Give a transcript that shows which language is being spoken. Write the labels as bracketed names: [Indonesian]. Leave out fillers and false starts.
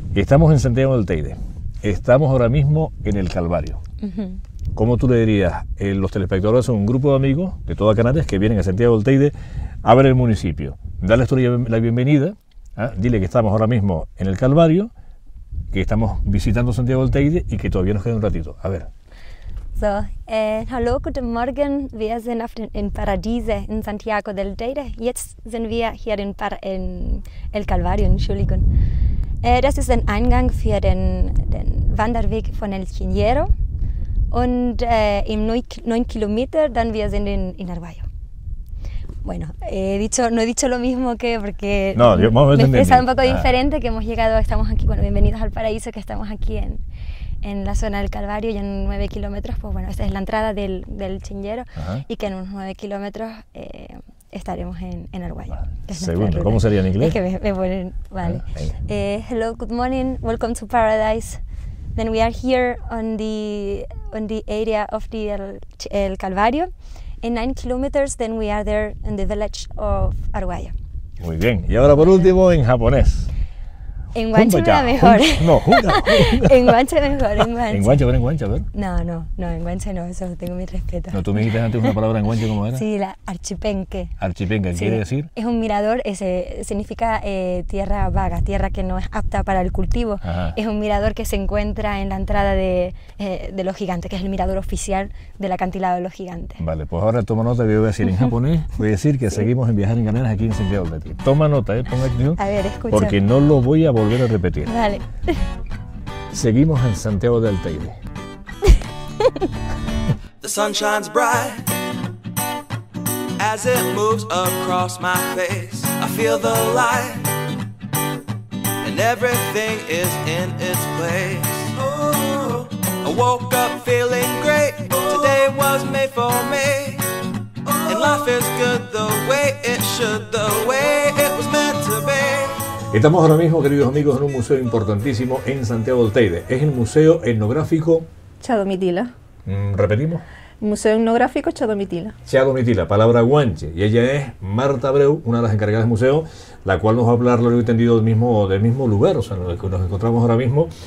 [Spanish] Estamos en Santiago del Teide. Estamos ahora mismo en el Calvario. ¿Cómo tú le dirías? Los telespectadores son un grupo de amigos de toda Canarias que vienen a Santiago del Teide a ver el municipio. Dales tú la bienvenida. Dile que estamos ahora mismo en el Calvario, que estamos visitando Santiago del Teide y que todavía nos queda un ratito. A ver. [German] So, hallo, guten Morgen. Wir sind auf den, in Paradiese, in Santiago del Teide. Jetzt sind wir hier in el Calvario, Entschuldigung. Das ist ein Eingang für den Wanderweg von El Chinchero. Und im 9 Kilometer, dann wir sind in Arguello. [Spanish] Bueno, no he dicho lo mismo que porque no, yo, vamos a ver, me expresa un poco diferente, que hemos llegado, estamos aquí, bueno, bienvenidos al paraíso, que estamos aquí en la zona del Calvario y en 9 kilómetros, pues bueno, esta es la entrada del Chinchero y que en unos 9 kilómetros estaremos en Arguello. Segundo, ¿cómo sería en inglés? Es que me ponen, vale. [English] Hello, good morning, welcome to paradise. Then we are here on the area of el Calvario. In 9 kilometers, then we are there in the village of Arguello. [Spanish] Muy bien. Y ahora por último, en japonés. En guancho era mejor. En guancho mejor, en guancho. En guancho, a ver. No, en guancho no, eso tengo mi respeto. No, tú me dijiste antes una palabra en guancho, ¿cómo era? Sí, la archipenque. Archipenque, ¿qué quiere decir? Es un mirador, significa tierra vaga, tierra que no es apta para el cultivo. Ajá. Es un mirador que se encuentra en la entrada de Los Gigantes, que es el mirador oficial del acantilado de Los Gigantes. Vale, pues ahora toma nota, que voy a decir en japonés, voy a decir que seguimos en Viajar en Canarias aquí en Santiago del Teide. Toma nota, ponga atención. A ver, escucha. Porque no lo voy a volver a repetir. Vale. Seguimos en Santiago del Teide. [English] The sun shines bright as it moves across my face. I feel the light and everything is in its place. I woke up feeling great. Today was made for me. And life is good the way it should, the way it was meant to be. [Spanish] Estamos ahora mismo, queridos amigos, en un museo importantísimo en Santiago del Teide. Es el Museo Etnográfico Chadomitila. Repetimos. Museo Etnográfico Chadomitila. Chadomitila, palabra guanche. Y ella es Marta Abreu, una de las encargadas del museo, la cual nos va a hablar, lo he entendido, del mismo lugar, o sea, en el que nos encontramos ahora mismo.